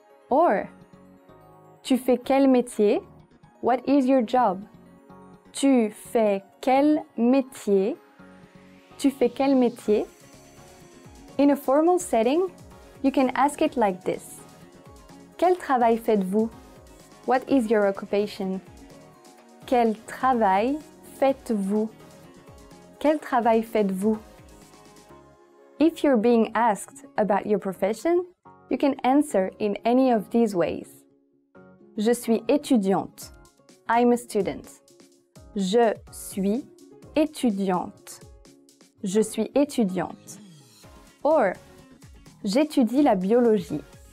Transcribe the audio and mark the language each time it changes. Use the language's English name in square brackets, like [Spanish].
[French] Or, tu fais quel métier? [English] What is your job? [French] Tu fais quel métier? Tu fais quel métier? [English] In a formal setting, you can ask it like this. [French] Quel travail faites-vous? [English] What is your occupation? [French] Quel travail faites-vous? Quel travail faites-vous? [English] If you're being asked about your profession, you can answer in any of these ways. [French] Je suis étudiante. [English] I'm a student. [French] Je suis étudiante. Je suis étudiante. Or, j'étudie la biologie.